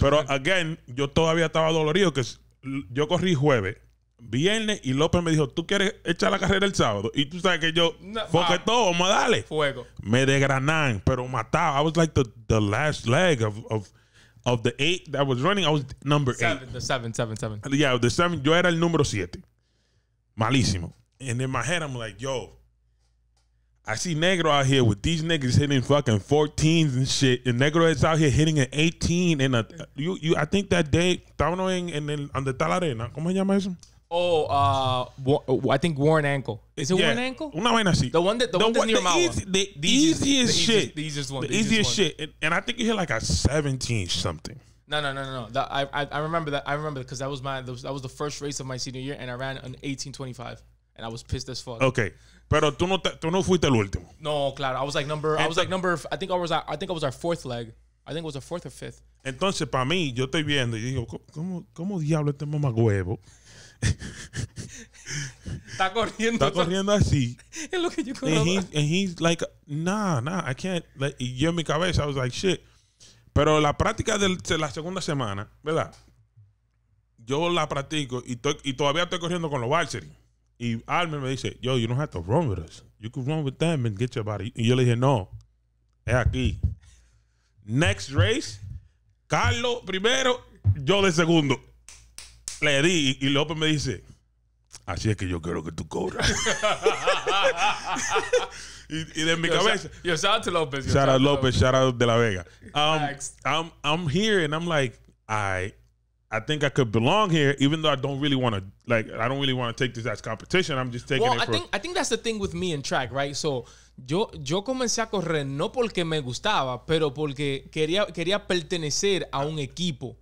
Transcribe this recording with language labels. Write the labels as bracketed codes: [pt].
[es] Pero again, yo todavía estaba dolorido, que yo corrí jueves, viernes, y López me dijo, "¿Tú quieres echar la carrera el sábado?" Y tú sabes que yo, [en] "Fuck it, [es] todo, vamos a darle." Fuego. Me desgranan, pero matado. [en] I was like the last leg of the eight that was running. I was number seven, eight. The seven. Yeah, the seven. [es] Yo era el número 7. Malísimo. [en] And in my head, I'm like, "Yo, I see Negro out here with these niggas hitting fucking 14s and shit. And Negro is out here hitting an 18. And you, I think that day, Tauno and then on the [es] ¿cómo se llama eso? [en] Oh, I think Warren Ankle. Is it Warren Ankle? No, I see. The one that the one that's near Mawa. The easiest one. And I think you hit like a 17 something. No. I remember that. I remember because that was my the first race of my senior year, and I ran an 18:25, and I was pissed as fuck. [es] Okay. Pero tú no fuiste el último. No, claro. [en] I think I was our fourth leg. I think it was our fourth or fifth. [es] Entonces, para mí, yo estoy viendo y digo, ¿cómo diablo este mamá huevo? Está corriendo así. Es lo que yo [en] creo. And he's like, nah, I can't. Like, [es] y yo en mi cabeza, [en] I was like, shit. [es] Pero la práctica de la segunda semana, ¿verdad? Yo la practico y todavía estoy corriendo con los varsity. Y Armin me dice, [en] yo, you don't have to run with us. You could run with them and get your body. [es] Y yo le dije, no, es aquí. Next race, Carlos primero, yo de segundo. Le di y López me dice, así es que yo quiero que tú corras. y de mi cabeza. [en] Yo, shout out to López. Shout out López, shout out de la Vega. I'm here and I'm like, I think I could belong here, even though I don't really want to take this as competition. I'm just taking I think that's the thing with me and track, right? [es] So yo comencé a correr no porque me gustaba, pero porque quería pertenecer a un equipo.